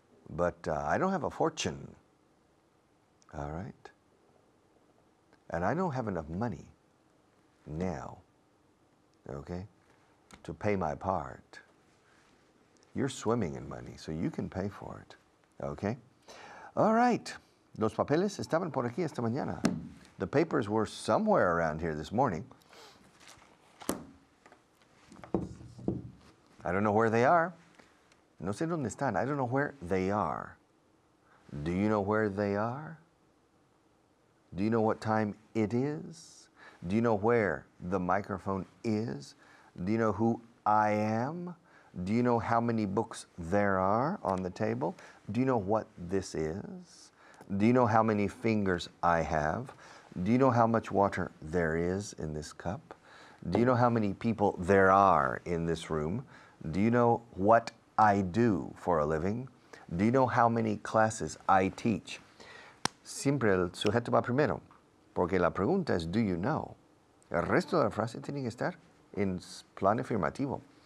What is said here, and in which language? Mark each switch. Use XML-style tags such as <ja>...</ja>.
<en>But I don't have a fortune. All right? And I don't have enough money now, okay, to pay my part. You're swimming in money, so you can pay for it, okay? All right,</en> <es>los papeles estaban por aquí esta mañana.</es> <en>The papers were somewhere around here this morning. I don't know where they are.</en> <es>No sé dónde están.</es> <en>I don't know where they are. Do you know where they are? Do you know what time it is? Do you know where the microphone is? Do you know who I am? Do you know how many books there are on the table? Do you know what this is? Do you know how many fingers I have? Do you know how much water there is in this cup? Do you know how many people there are in this room? Do you know what I do for a living? Do you know how many classes I teach?</en> <es>Siempre el sujeto va primero, porque la pregunta es,</es> <en>do you know?</en> <es>El resto de la frase tiene que estar en plan afirmativo.</es>